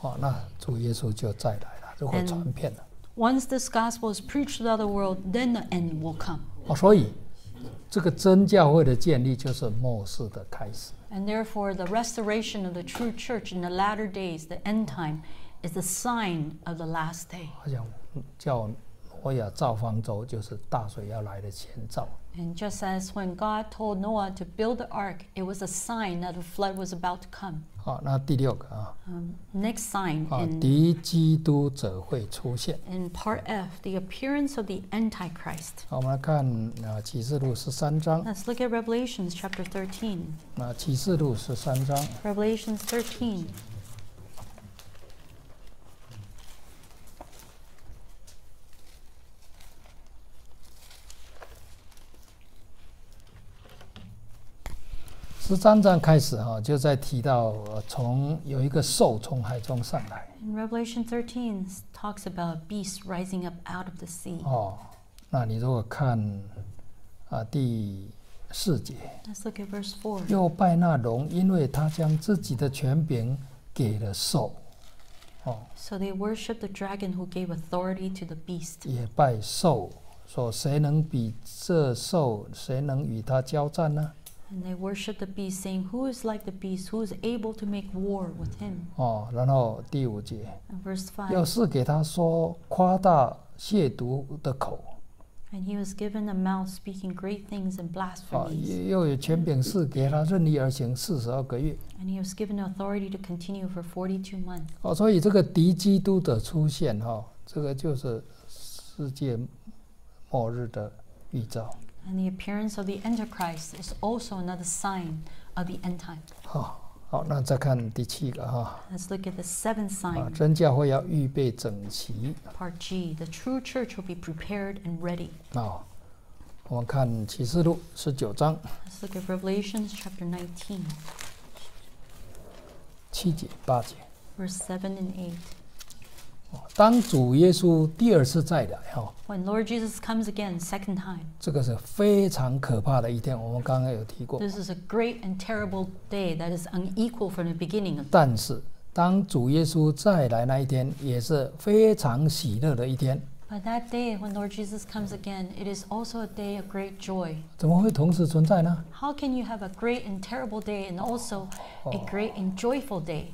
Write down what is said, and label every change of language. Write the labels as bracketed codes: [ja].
[zh] 那主耶稣就再来了，如果传遍了。 [en] Once this gospel is preached to the other world, then the end will come. [zh] 所以这个真教会的建立就是末世的开始。 [en] And therefore, the restoration of the true church in the latter days, the end time, is the sign of the last day. [zh] 好像叫挪亚造方舟，就是大水要来的前兆。 [en] And just as when God told Noah to build the ark, it was a sign that the flood was about to come. [zh] 好，那第六个啊。 [en] Next sign. [zh] 敌基督者会出现。 [en] In part F, the appearance of the Antichrist. [zh] 好，我们来看启示录十三章。 [en] Let's look at Revelation chapter 13. [zh] 那启示录十三章。 [en] Revelation 13. [zh] 十三章开始就在提到从有一个兽从海中上来。 [en] In Revelation 13 talks about beast rising up out of the sea. [zh] 那你如果看第四节。 [en] Let's look at verse 4. [zh] 又拜那龙，因为他将自己的权柄给了兽。 [en] So they worship the dragon who gave authority to the beast. [zh] 也拜兽，说谁能比这兽，谁能与他交战呢？ [en] And they worship the beast, saying, "Who is like the beast? Who is able to make war with him?" [zh] 然后第五节。 [en] And verse 5. [zh] 又赐给他说夸大亵渎的口。 [en] And he was given a mouth speaking great things and blasphemies. [zh] 又有权柄赐给他任意而行四十二个月。 [en] And he was given authority to continue for 42 months. [zh] 所以这个敌基督的出现，这个就是世界末日的预兆。 [en] And the appearance of the Antichrist is also another sign of the end time. [zh] 好，那再看第七个。 [en] Let's look at the seventh sign. [zh] 真教会要预备整齐。 [en] Part G, the true church will be prepared and ready. [zh] 我们看启示录十九章。 [en] Let's look at Revelation chapter 19. [zh] 七节八节。 [en] Verse 7 and 8. [zh] 当主耶稣第二次再来 [en] When Lord Jesus comes again, second time. [zh] 这个是非常可怕的一天，我们刚刚有提过。 [en] This is a great and terrible day that is unequal from the beginning. [zh] 但是，当主耶稣再来那一天，也是非常喜乐的一天。 [en] But that day when Lord Jesus comes again, it is also a day of great joy. [zh] 怎么会同时存在呢? [en] How can you have a great and terrible day and also a great and joyful day?